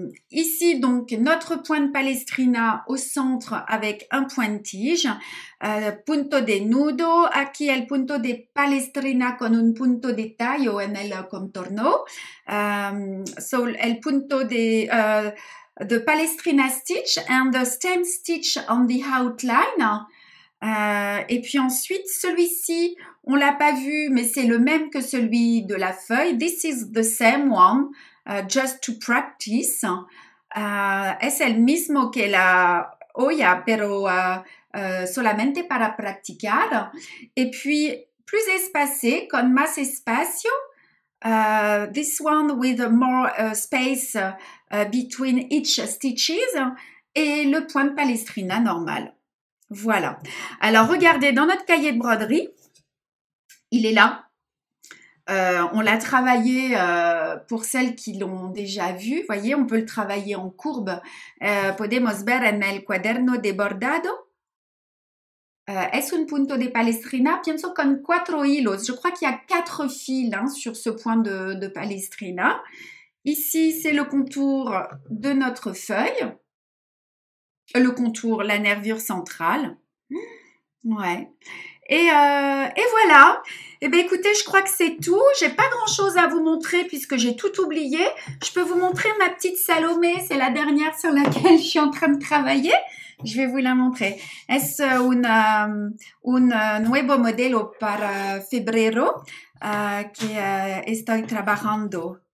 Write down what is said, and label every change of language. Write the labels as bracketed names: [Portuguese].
[French] Ici, donc, notre point de palestrina au centre avec un point de tige. [Spanish] Punto de nudo. Aquí el punto de palestrina con un punto de tallo en el contorno. [English] So, [Spanish] el punto de palestrina [English] stitch and the same stitch on the outline. [French] Et puis ensuite, celui-ci, on l'a pas vu, mais c'est le même que celui de la feuille. [English] This is the same one. Just to practice. [Spanish] Es el mismo que la olla, pero solamente para practicar. [French] Et puis, plus espacé, [Spanish] con más espacio. [English] This one with more space between each stitches. [French] Et le point de palestrina normal. Voilà. Alors, regardez, dans notre cahier de broderie, il est là. On l'a travaillé pour celles qui l'ont déjà vu. Vous voyez, on peut le travailler en courbe. [Spanish] Podemos ver en el cuaderno de bordado. Es un punto de palestrina. Pienso con cuatro hilos. [French] Je crois qu'il y a quatre fils hein, sur ce point de palestrina. Ici, c'est le contour de notre feuille. Le contour, la nervure centrale. Ouais. Et voilà. Eh bien, écoutez, je crois que c'est tout. J'ai pas grand-chose à vous montrer puisque j'ai tout oublié. Je peux vous montrer ma petite Salomé. C'est la dernière sur laquelle je suis en train de travailler. Je vais vous la montrer. [Spanish] Es un nuevo modelo para febrero que estoy trabajando.